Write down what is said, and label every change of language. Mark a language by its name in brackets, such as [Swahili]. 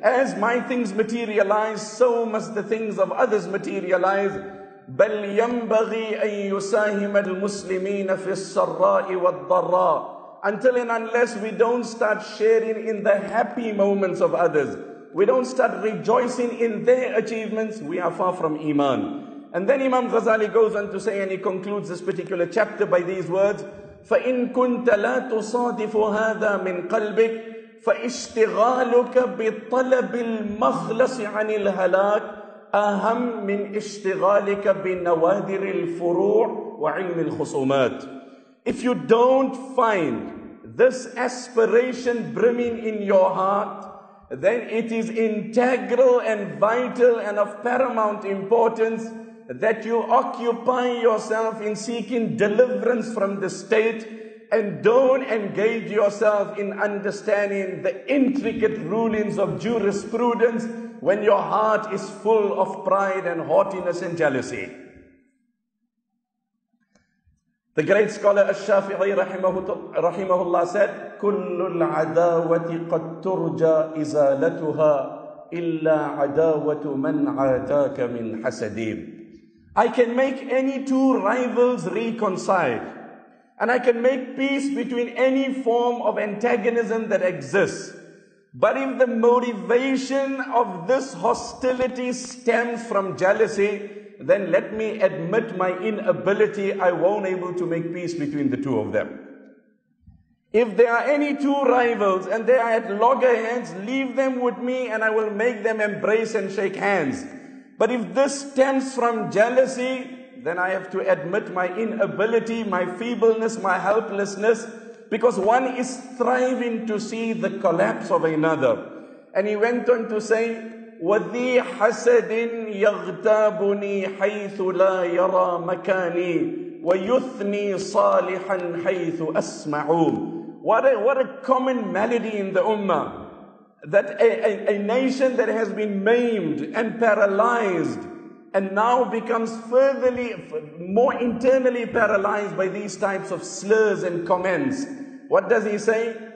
[English] As my things materialize, so must the things of others materialize. [Arabic] بَلْ يَنْبَغِي أَن يُسَاهِمَ الْمُسْلِمِينَ فِي السَّرَّاءِ وَالضَّرَّاءِ. [English] Until and unless we don't start sharing in the happy moments of others, we don't start rejoicing in their achievements, we are far from Iman. And then Imam Ghazali goes on to say, and he concludes this particular chapter by these words, [Arabic] فَإِنْ كُنْتَ لَا تُصَادِفُ هَذَا مِنْ قَلْبِكَ فَإِشْتِغَالُكَ بِطَلَبِ الْمَخْلَصِ عَنِ الْهَلَاكِ أَهَمْ مِنْ إِشْتِغَالِكَ بِنَوَادِرِ الْفُرُوعِ وَعِلْمِ الْخُصُومَاتِ. [English] If you don't find this aspiration brimming in your heart, then it is integral and vital and of paramount importance that you occupy yourself in seeking deliverance from the state and don't engage yourself in understanding the intricate rulings of jurisprudence when your heart is full of pride and haughtiness and jealousy. The great scholar Ash-Shafi'i rahimahullah said, [Arabic] كُلُّ الْعَدَاوَةِ قَدْ تُرْجَى إِزَالَتُهَا إلا عداوة من عاتاك من حسدي. [English] I can make any two rivals reconcile, and I can make peace between any form of antagonism that exists. But if the motivation of this hostility stems from jealousy, then let me admit my inability, I won't able to make peace between the two of them. If there are any two rivals and they are at loggerheads, leave them with me and I will make them embrace and shake hands. But if this stems from jealousy, then I have to admit my inability, my feebleness, my helplessness, because one is thriving to see the collapse of another. And he went on to say, [Arabic] وَذِي حَسَدٍ يَغْتَابُنِي حَيْثُ لَا يَرَى مَكَانِي وَيُثْنِي صَالِحًا حَيْثُ أَسْمَعُ. [English] What a common malady in the ummah, that a nation that has been maimed and paralyzed and now becomes furtherly, more internally paralyzed by these types of slurs and comments. What does he say?